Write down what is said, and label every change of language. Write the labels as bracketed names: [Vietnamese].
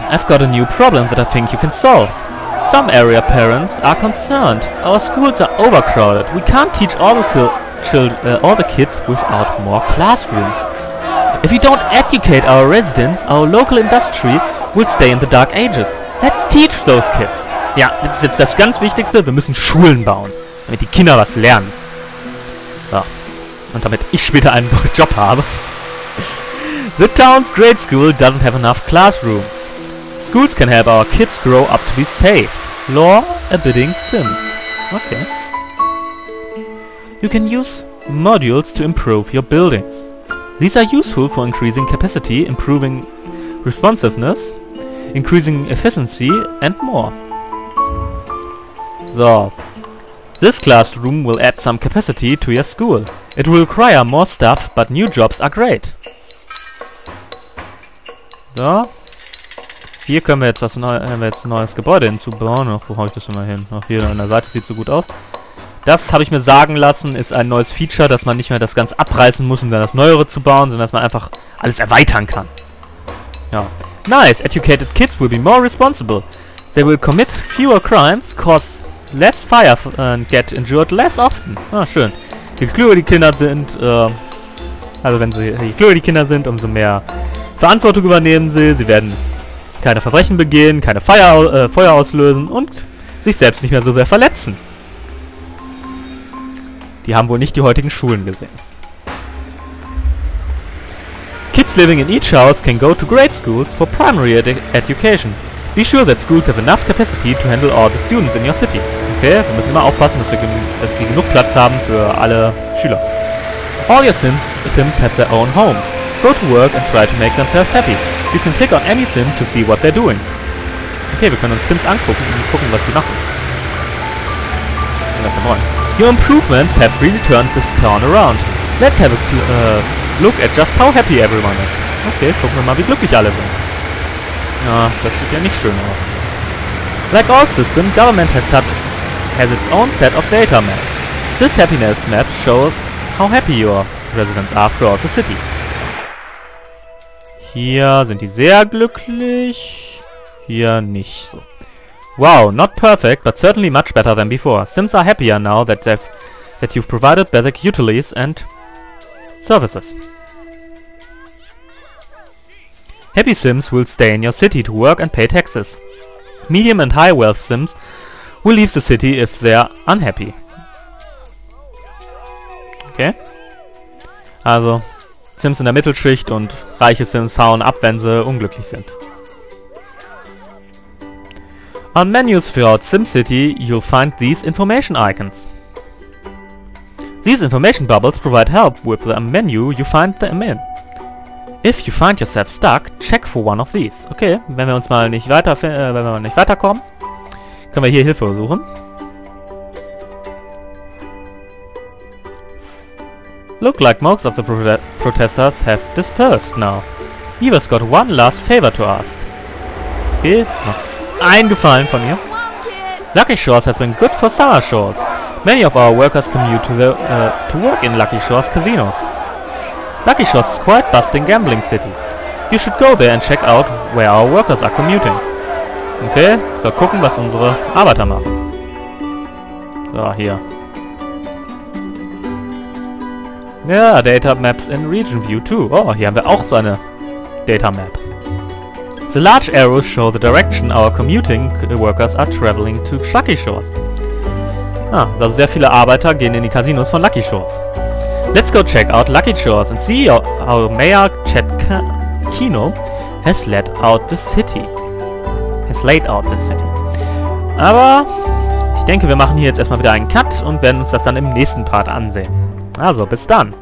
[English] I've got a new problem that I think you can solve. Some area parents are concerned. Our schools are overcrowded. We can't teach all the kids without more classrooms. If we don't educate our residents, our local industry will stay in the dark ages. Let's teach those kids. [German] Ja, das ist jetzt das ganz Wichtigste. Wir müssen Schulen bauen, damit die Kinder was lernen. Ja. Und damit ich später einen Job habe. [English] The town's grade school doesn't have enough classrooms. Schools can help our kids grow up to be safe. Law-abiding Sims. Okay. You can use modules to improve your buildings. These are useful for increasing capacity, improving responsiveness, increasing efficiency and more. So. This classroom will add some capacity to your school. It will require more staff, but new jobs are great. So. [German] Hier können wir jetzt was Neues, haben wir jetzt ein neues Gebäude hinzubauen. Ach, wo habe ich das schon mal hin? Ach, hier an der Seite sieht so gut aus. Das habe ich mir sagen lassen, ist ein neues Feature, dass man nicht mehr das ganz abreißen muss, um dann das Neuere zu bauen, sondern dass man einfach alles erweitern kann. [English] Ja. Nice. Educated kids will be more responsible. They will commit fewer crimes, cause less fire and get injured less often. [German] Ah, schön. Je klüger die Kinder sind, umso mehr Verantwortung übernehmen sie. Sie werden keine Verbrechen begehen, keine Feuer auslösen und sich selbst nicht mehr so sehr verletzen. Die haben wohl nicht die heutigen Schulen gesehen. [English] Kids living in each house can go to grade schools for primary education. Be sure that schools have enough capacity to handle all the students in your city. [German] Okay, wir müssen immer aufpassen, dass sie genug Platz haben für alle Schüler. [English] All your Sims have their own homes. Go to work and try to make themselves happy. You can click on any Sim to see what they're doing. [German] Okay, wir können uns Sims angucken und gucken, was sie machen. Und was sie wollen. [English] Your improvements have really turned this town around. Let's have a look at just how happy everyone is. [German] Okay, gucken wir mal, wie glücklich alle sind. Ja, das sieht ja nicht schön aus. [English] Like all systems, government has its own set of data maps. This happiness map shows how happy your residents are throughout the city. [German] Hier sind die sehr glücklich. Hier nicht so. [English] Wow, not perfect, but certainly much better than before. Sims are happier now that you've provided basic utilities and services. Happy Sims will stay in your city to work and pay taxes. Medium and high wealth Sims will leave the city if they're unhappy. Okay. [German] Also, Sims in der Mittelschicht und reiche Sims hauen ab, wenn sie unglücklich sind. [English] On menus throughout SimCity, you'll find these information icons. These information bubbles provide help with the menu you find them in. If you find yourself stuck, check for one of these. [German] Okay, wenn wir uns mal nicht weiter, wenn wir mal nicht weiterkommen, können wir hier Hilfe suchen. [English] Look like most of the protesters have dispersed now. Eva's got one last favor to ask. [German] Okay, noch ein Gefallen von mir. [English] Lucky Shores has been good for summer shorts. Many of our workers commute to work in Lucky Shores casinos. Lucky Shores is quite busting gambling city. You should go there and check out where our workers are commuting. [German] Okay, so gucken, was unsere Arbeiter machen. So, hier. Ja, Data Maps in Region View 2. Oh, hier haben wir auch so eine Data Map. [English] The large arrows show the direction our commuting workers are traveling to Lucky Shores. [German] Ah, also sehr viele Arbeiter gehen in die Casinos von Lucky Shores. [English] Let's go check out Lucky Shores and see how Mayor Chet Kino has laid out the city. [German] Aber ich denke, wir machen hier jetzt erstmal wieder einen Cut und werden uns das dann im nächsten Part ansehen. Also, bis dann.